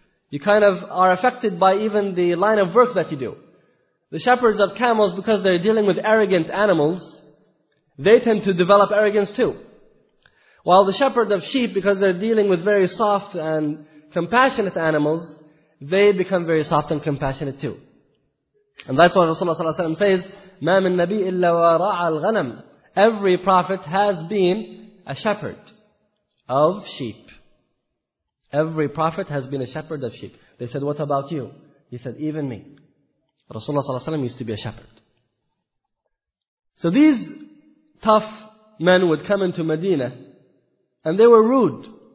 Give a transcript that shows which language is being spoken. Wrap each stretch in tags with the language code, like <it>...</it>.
<en>You kind of are affected by even the line of work that you do. The shepherds of camels, because they're dealing with arrogant animals, they tend to develop arrogance too. While the shepherds of sheep, because they're dealing with very soft and compassionate animals, they become very soft and compassionate too. And that's what Rasulullah ﷺ says,</en> <ar>مَا مِن نَبِي إِلَّا وَرَعَى الْغَنَمِ.</ar> <en>Every prophet has been a shepherd of sheep. Every prophet has been a shepherd of sheep. They said, what about you? He said, even me. Rasulullah ﷺ used to be a shepherd. So these tough men would come into Medina, and they were rude.</en>